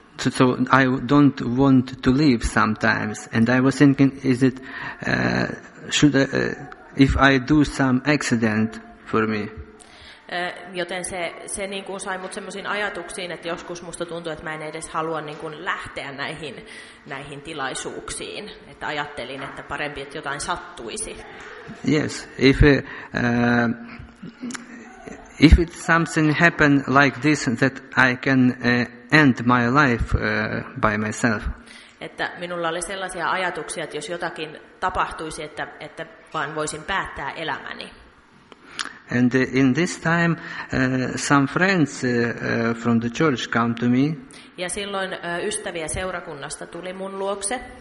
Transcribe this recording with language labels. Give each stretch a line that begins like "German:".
English: so I don't want to leave sometimes, and I was thinking, is it should I, if I do some accident for me?
Finnish: Joten se niin kuin sai mut semmoisiin ajatuksiin, että joskus musta tuntuu, että mä en edes halua niin kuin lähteä näihin tilaisuuksiin, että ajattelin, että parempi, että jotain sattuisi.
English: Yes, if it something happen like this, that I can end my life by myself.
Finnish: Että minulla oli sellaisia ajatuksia, että jos jotakin tapahtuisi, että vaan voisin päättää elämäni.
English: And in this time, some friends from the church come to me.
Finnish: Ja silloin ystäviä seurakunnasta tuli mun luokse.